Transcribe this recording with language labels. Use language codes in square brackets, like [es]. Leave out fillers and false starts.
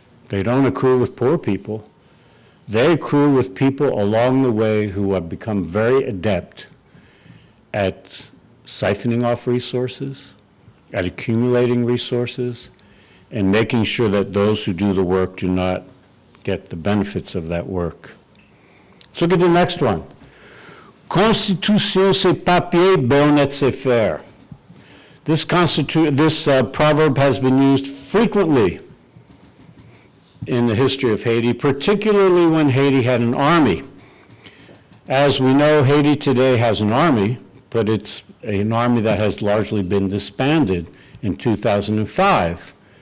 [en] They don't accrue with poor people. They accrue with people along the way who have become very adept at siphoning off resources, at accumulating resources, and making sure that those who do the work do not get the benefits of that work. Let's look at the next one. [ht] Constitution, c'est papier, bayonet, c'est fer. [en] This proverb has been used frequently in the history of Haiti, particularly when Haiti had an army. As we know, Haiti today has an army, but it's an army that has largely been disbanded in 2005.